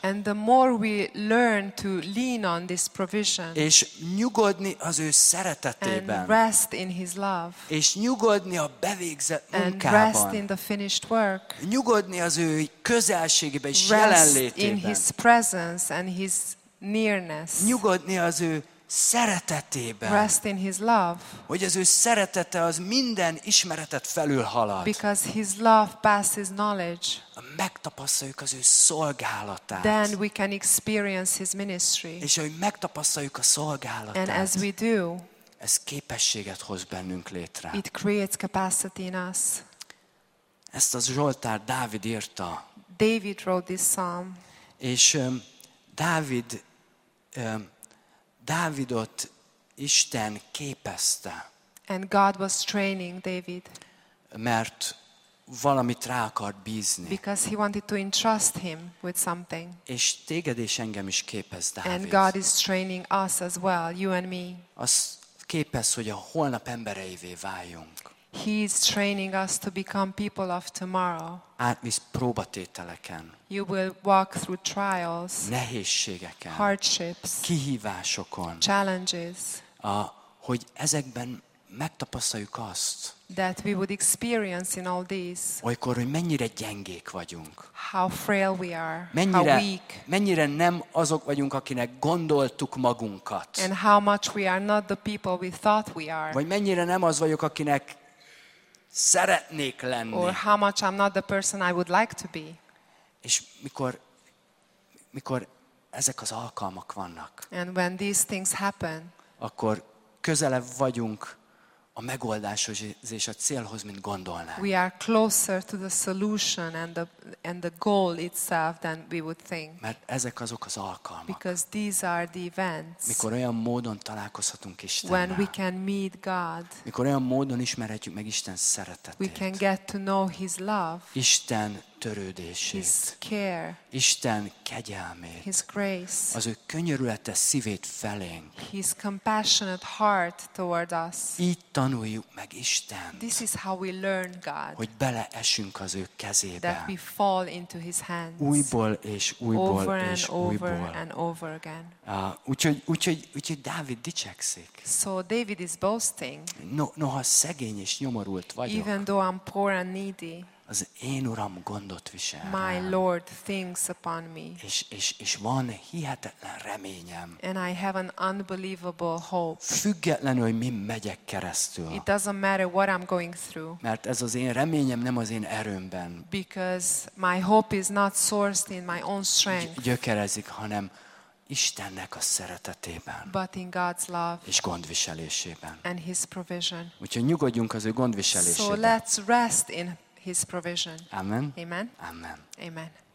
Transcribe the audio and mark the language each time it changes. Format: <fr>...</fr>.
<en>And the more we learn to lean on this provision.</en> <hu>És nyugodni az ő szeretetében.</hu> <en>And rest in his love.</en> <hu>És nyugodni a bevégzett munkában.</hu> <en>And rest in the finished work.</en> <hu>Nyugodni az ő közelségében és</hu> <en>rest</en> <hu>jelenlétében.</hu> <en>In his presence and his nearness.</en> <hu>Nyugodni az ő szeretetében.</hu> <en>Rest in his love.</en> <hu>Hogy az ő szeretete az minden ismeretet felülhalad.</hu> <en>Because his love passes knowledge.</en> <hu>Megtapasztaljuk az ő szolgálatát.</hu> <en>Then we can experience his ministry.</en> <hu>És hogy megtapasztaljuk a szolgálatát.</hu> <en>And as we do.</en> <hu>Ez képességet hoz bennünk létre.</hu> <en>It creates capacity in us.</en> <hu>Ezt a Zsoltár Dávid írta.</hu> <en>David wrote this psalm.</en> <hu>És Dávid, Dávidot Isten képezte.</hu> <en>And God was training David.</en> <hu>Mert valamit rá akart bízni.</hu> <en>Because he wanted to entrust him with something.</en> <hu>És téged és engem is képez, Dávid.</hu> <en>And God is training us as well, you and me.</en> <hu>Azt képez, hogy a holnap embereivé váljunk.</hu> <en>He is training us to become people of tomorrow.</en> <hu>Átmész próbatételeken.</hu> <en>You will walk through trials.</en> <hu>Nehézségeken.</hu> <en>Hardships.</en> <hu>Kihívásokon.</hu> <en>Challenges.</en> <hu>Hogy ezekben megtapasztaljuk azt.</hu> <en>That we would experience in all this.</en> <hu>Olykor, hogy mennyire gyengék vagyunk.</hu> <en>How frail we are.</en> <hu>Mennyire,</hu> <en>how weak.</en> <hu>Mennyire nem azok vagyunk, akinek gondoltuk magunkat.</hu> <en>And how much we are not the people we thought we are.</en> <hu>Vagy mennyire nem az vagyok, akinek szeretnék lenni.</hu> <en>Or how much I'm not the person I would like to be.</en> <hu>És mikor ezek az alkalmak vannak.</hu> <en>And when these things happen.</en> <hu>Akkor közelebb vagyunk a megoldáshoz és a célhoz, mint gondolnánk.</hu> <en>We are closer to the solution and the goal itself than we would think.</en> <hu>Mert ezek azok az alkalmak.</hu> <en>Because these are the events.</en> <hu>Mikor olyan módon találkozhatunk Istennel.</hu> <en>When we can meet God.</en> <hu>Mikor olyan módon ismerhetjük meg Isten szeretetét.</hu> <en>We can get to know His love.</en> <hu>Isten törődését.</hu> <en>His care.</en> <hu>Isten kegyelmét.</hu> <en>His grace.</en> <hu>Az ő könyörülete szívét felénk.</hu> <en>His compassionate heart toward us.</en> <hu>Így tanuljuk meg Istent.</hu> <en>This is how we learn God.</en> <hu>Hogy beleesünk az ő kezébe.</hu> <en>That we fall into His hands.</en> <hu>Újból és újból</hu> <en>over</en> <hu>és</hu> <en>and over</en> <hu>újból.</hu> <en>And over again.</en> <hu>Úgyhogy Dávid dicsekszik.</hu> <en>So David is boasting.</en> <hu>Noha szegény és nyomorult vagyok.</hu> <en>Even though I'm poor and needy.</en> <hu>Az én Uram gondot visel.</hu> <en>My Lord thinks upon me.</en> <hu>És van hihetetlen reményem.</hu> <en>And I have an unbelievable hope.</en> <hu>Függetlenül, hogy mi megyek keresztül.</hu> <en>It doesn't matter what I'm going through.</en> <hu>Mert ez az én reményem nem az én erőmben.</hu> <en>Because my hope is not sourced in my own strength.</en> <hu>Gyökerezik, hanem Istennek a szeretetében.</hu> <en>But in God's love.</en> <hu>És gondviselésében.</hu> <en>And His provision.</en> <hu>Úgyhogy nyugodjunk az ő gondviselésében.</hu> <en>So let's rest in His provision. Amen. Amen. Amen. Amen.</en>